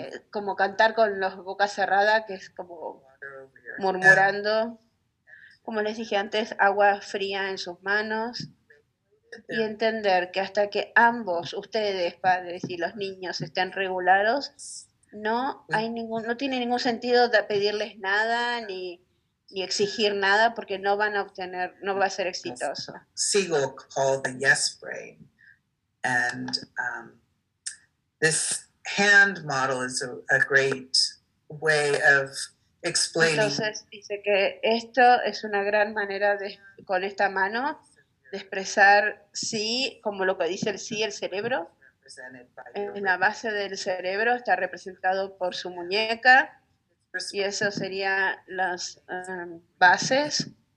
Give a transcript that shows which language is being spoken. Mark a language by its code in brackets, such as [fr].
[es] como cantar con la boca cerrada, que es como murmurando, como les dije antes, agua fría en sus manos. Y entender que hasta que ambos, ustedes, padres y los niños, estén regulados, no tiene ningún sentido de pedirles nada ni exigir nada, porque no van a obtener, no va a ser exitoso. [en] Siegel called the yes brain. And this hand model is a great way of explaining. [es] Entonces dice que esto es una gran manera de, con esta mano, de expresar sí, como lo que dice el sí, el cerebro. En la base del cerebro está representado por su muñeca, y eso sería las bases.